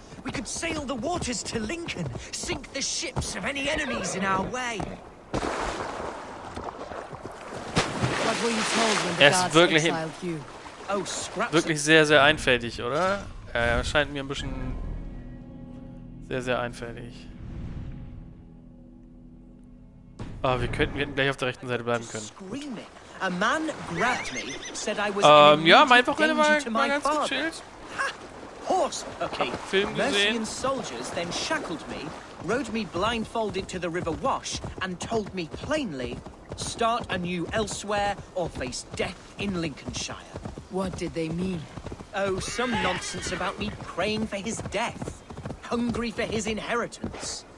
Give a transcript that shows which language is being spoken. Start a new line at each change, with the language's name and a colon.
English: We could sail the waters to Lincoln, sink the ships of any enemies in our way. What were you told when the guards exiled you? Oh, scraps.
German: Wirklich sehr, sehr einfältig, oder? Er scheint mir ein bisschen sehr, sehr einfältig. Ah, oh, wir hätten gleich auf der rechten Seite bleiben können. Ja, mein Wochenende war ganz gut chillt.
English: horse, Perky.
German: Film gesehen.
English: Mercian soldiers then shackled me, rode me blindfolded to the River Wash and told me plainly, start anew elsewhere or face death in Lincolnshire. What did they mean? Oh, some nonsense about me praying for his death, hungry for his inheritance.